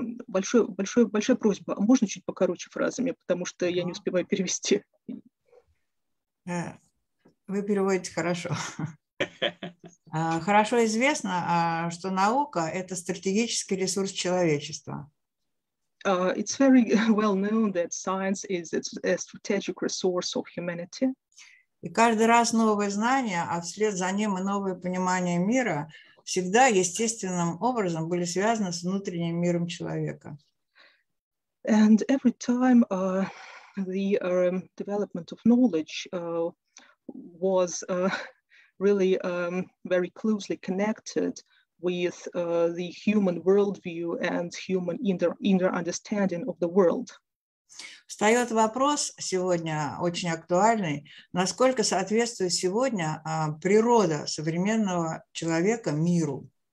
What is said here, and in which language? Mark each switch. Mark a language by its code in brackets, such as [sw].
[ru] Большая просьба, можно чуть покороче фразами, потому что я не успеваю перевести. Вы переводите хорошо. Хорошо известно, что наука – это стратегический ресурс человечества. [en] It's very well known that science is a strategic resource of humanity. [ru] И каждый раз новое знание, а вслед за ним и новое понимание мира, всегда естественным образом были связаны с внутренним миром человека. [en] And every time the development of knowledge was really very closely connected with the human worldview and human inner understanding of the world. [ru] Встает вопрос сегодня очень актуальный, насколько соответствует сегодня природа современного человека миру.